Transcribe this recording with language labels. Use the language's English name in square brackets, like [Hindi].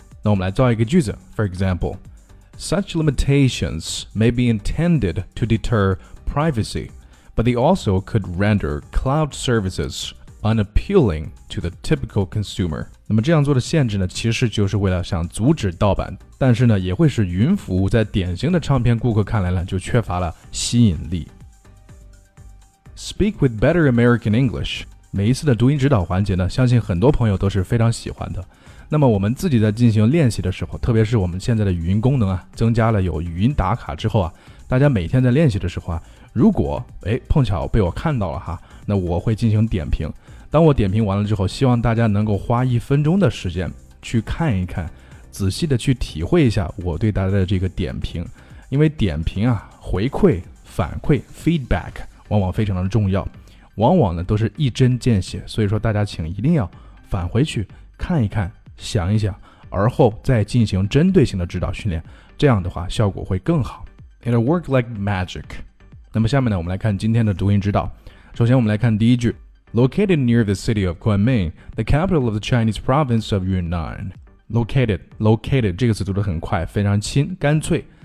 [Chinese] 那我们来造一个句子 [English] ,for example, Such limitations may be intended to deter privacy, but they also could render cloud services unappealing to the typical consumer. [Chinese] 那么这样做的限制呢其实就是为了想阻止盗版。但是呢也会使云服务在典型的唱片顾客看来呢就缺乏了吸引力。 [English] Speak with better American English. [Chinese] 每一次的读音指导环节呢相信很多朋友都是非常喜欢的。那么我们自己在进行练习的时候特别是我们现在的语音功能啊增加了有语音打卡之后啊大家每天在练习的时候啊如果诶碰巧被我看到了哈那我会进行点评。当我点评完了之后希望大家能够花一分钟的时间去看一看。仔细的去体会一下我对大家的这个点评因为点评啊回馈反馈 feedback 往往非常的重要往往呢都是一针见血所以说大家请一定要返回去看一看想一想而后再进行针对性的指导训练这样的话效果会更好 [English] It'll work like magic [Chinese] 那么下面呢我们来看今天的读音指导首先我们来看第一句 [English] Located near the city of Kunming the capital of the Chinese province of YunnanLocated, [Chinese] 这个词读得很快，非常轻，干脆。